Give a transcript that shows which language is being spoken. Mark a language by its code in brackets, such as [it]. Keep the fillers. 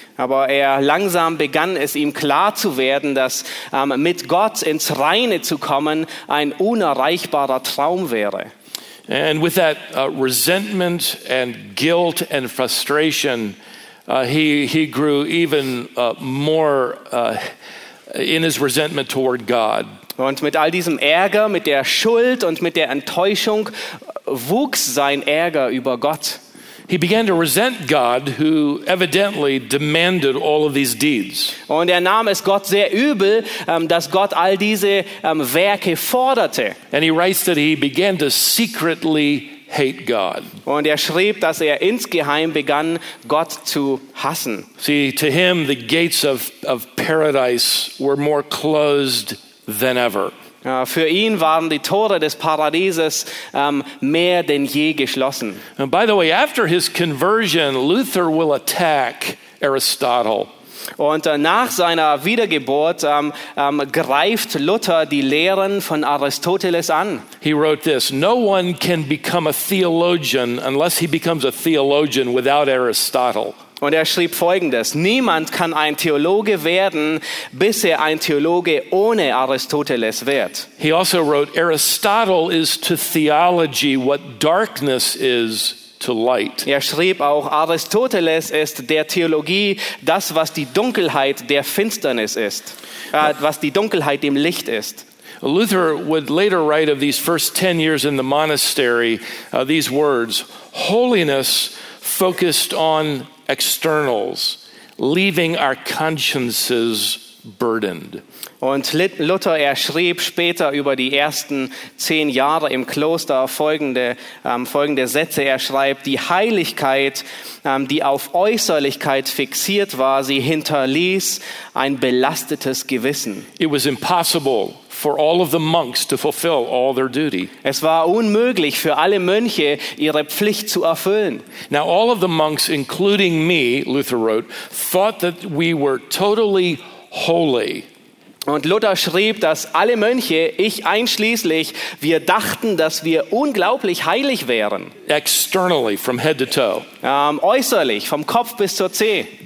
[en] How about [de] er langsam begann es ihm klar zu werden, dass um, mit Gott ins Reine zu kommen ein unerreichbarer Traum wäre. [en] And with that uh, resentment and guilt and frustration, uh, he, he grew even uh, more in his resentment toward God. [de] Und mit all diesem Ärger, mit der Schuld und mit der Enttäuschung wuchs sein Ärger über Gott. [en] He began to resent God, who evidently demanded all of these deeds. [de] Und er nahm es Gott sehr übel, um, dass Gott all diese um, Werke forderte. [en] And he writes that he began to secretly hate God. And he [de] er schrieb, [en] that he [de] er insgeheim begann, Gott zu hassen. [en] See, to him, the gates of of paradise were more closed than ever. [de] Uh, für ihn waren die Tore des Paradieses um, je geschlossen. [en] And by the way, after his conversion, Luther will attack Aristotle. [de] Und nach seiner Wiedergeburt um, um, greift Luther die Lehren von [en] He wrote this: No one can become a theologian unless he becomes a theologian without Aristotle. [de] Und er schrieb Folgendes, niemand kann ein Theologe werden, bis er ein Theologe ohne Aristoteles wird. [en] He also wrote, Aristotle is to theology what darkness is to light. [de] Er schrieb auch, Aristoteles ist der Theologie das, was die Dunkelheit der Finsternis ist, äh, uh, was die Dunkelheit dem Licht ist. [en] Luther would later write of these first 10 years in the monastery uh, these words, holiness focused on externals, leaving our consciences Burdened. [de] Und Luther, er schrieb später über die ersten zehn Jahre im Kloster folgende, um, folgende Sätze. Er schreibt, die Heiligkeit, um, die auf Äußerlichkeit fixiert war, sie hinterließ ein belastetes Gewissen. Es war unmöglich für alle Mönche ihre Pflicht zu erfüllen. [en] Now all of the monks including me Luther wrote thought that we were totally Holy. [de] Und Luther schrieb, dass alle Mönche, ich einschließlich, wir dachten, dass wir unglaublich heilig wären. To ähm, äußerlich, vom Kopf bis zur Zeh.